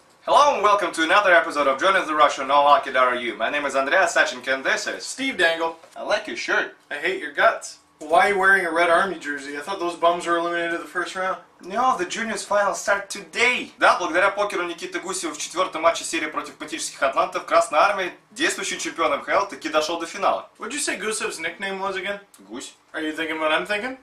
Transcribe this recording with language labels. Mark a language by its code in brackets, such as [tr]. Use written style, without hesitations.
[en] Hello and welcome to another episode of Joining the Russian No Lucky Dare You. My name is Андрей, Осадченко, and this is [ru] Стив Дэнгл. [en] I like your shirt. I hate your guts. Why are you wearing a red army jersey? I thought those bums were eliminated the first round. No, the juniors final start today. [ru] Да, благодаря покеру Никиты Гусева в четвертом матче серии против патических атлантов Красной Армии, действующий чемпион МХЛ, таки дошел до финала. [en] What did you say Gusev's nickname was again? [ru] Гусь. [en] Are you thinking what I'm thinking?